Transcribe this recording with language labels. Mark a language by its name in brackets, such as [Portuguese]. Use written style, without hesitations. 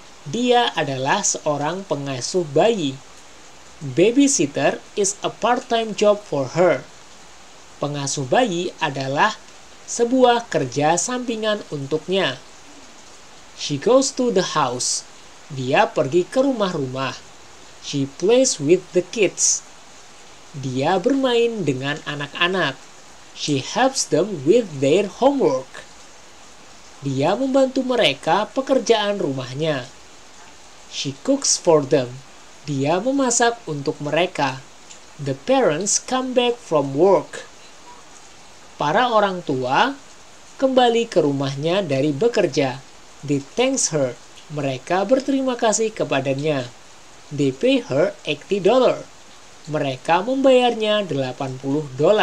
[Indonesian] Dia adalah seorang pengasuh bayi. [English] Babysitter is a part-time job for her. [Indonesian] Pengasuh bayi adalah sebuah kerja sampingan untuknya. [English] She goes to the house. [Indonesian] Dia pergi ke rumah-rumah. [English] She plays with the kids. [Indonesian] Dia bermain dengan anak-anak. [English] She helps them with their homework. [Indonesian] Dia membantu mereka pekerjaan rumahnya. [English] She cooks for them. [Indonesian] Dia memasak untuk mereka. [English] The parents come back from work. [Indonesian] Para orang tua kembali ke rumahnya dari bekerja. [English] They thanks her. [Indonesian] Mereka berterima kasih kepadanya. [English] They pay her $80. [Indonesian] Mereka membayarnya $80.